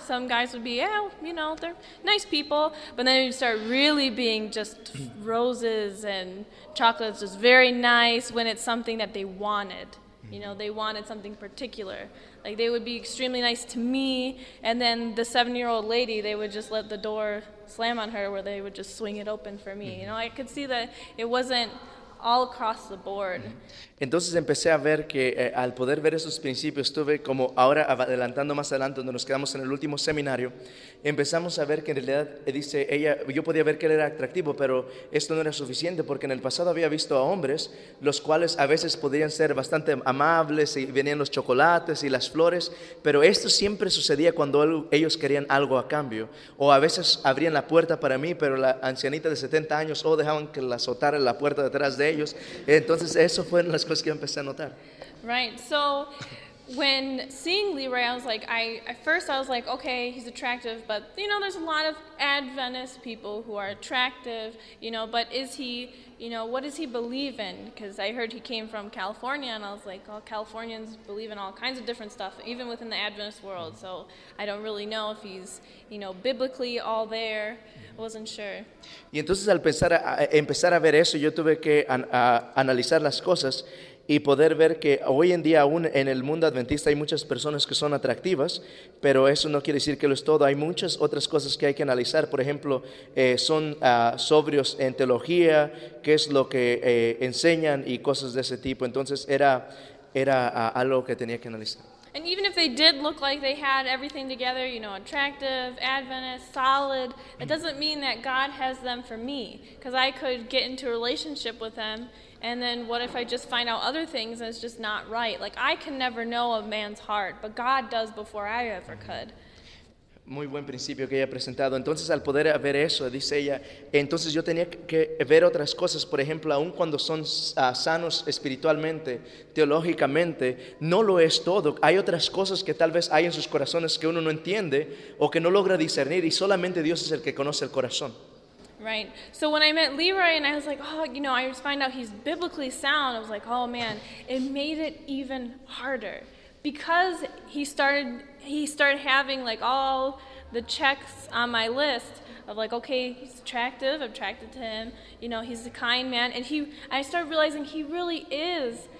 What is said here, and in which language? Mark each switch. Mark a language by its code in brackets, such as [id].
[en] Some guys would be, yeah, you know, they're nice people. But then you start really being just roses and chocolates, just very nice when it's something that they wanted. You know, they wanted something particular. Like, they would be extremely nice to me. And then the seven-year-old lady, they would just let the door slam on her where they would just swing it open for me. You know, I could see that it wasn't all across the board. [es] Entonces empecé a ver que al poder ver esos principios, estuve como ahora adelantando más adelante donde nos quedamos en el último seminario, empezamos a ver que en realidad, dice ella, yo podía ver que él era atractivo, pero esto no era suficiente porque en el pasado había visto a hombres los cuales a veces podían ser bastante amables y venían los chocolates y las flores, pero esto siempre sucedía cuando ellos querían algo a cambio, o a veces abrían la puerta para mí, pero la ancianita de 70 años o dejaban que la azotara la puerta detrás de ellos. Entonces eso fue las cosas que empecé a notar. [en] Right, so when seeing Leroy, I was like, at first I was like, okay, he's attractive, but you know, there's a lot of Adventist people who are attractive, you know, but is he, you know, what does he believe in? Because I heard he came from California, and I was like, oh, Californians believe in all kinds of different stuff, even within the Adventist world, so I don't really know if he's, you know, biblically all there. I wasn't sure. [es] Y entonces al empezar a ver eso, yo tuve que analizar las cosas, y poder ver que hoy en día aún en el mundo adventista hay muchas personas que son atractivas, pero eso no quiere decir que lo es todo. Hay muchas otras cosas que hay que analizar. Por ejemplo, son sobrios en teología, qué es lo que enseñan y cosas de ese tipo. Entonces era algo que tenía que analizar. [en] And even if they did look like they had everything together, you know, attractive, Adventist, solid, it doesn't mean that God has them for me, because I could get into a relationship with them. And then what if I just find out other things and it's just not right? Like, I can never know a man's heart, but God does before I ever could. [es] Muy buen principio que ella ha presentado. Entonces, al poder ver eso, dice ella, entonces yo tenía que ver otras cosas. Por ejemplo, aun cuando son sanos espiritualmente, teológicamente, no lo es todo. Hay otras cosas que tal vez hay en sus corazones que uno no entiende o que no logra discernir, y solamente Dios es el que conoce el corazón. [en] Right. So when I met Leroy and I was like, oh, you know, I just find out he's biblically sound, I was like, oh man, it made it even harder. Because he started having like all the checks on my list of like, okay, he's attractive, I'm attracted to him, you know, he's a kind man, and I started realizing he really is.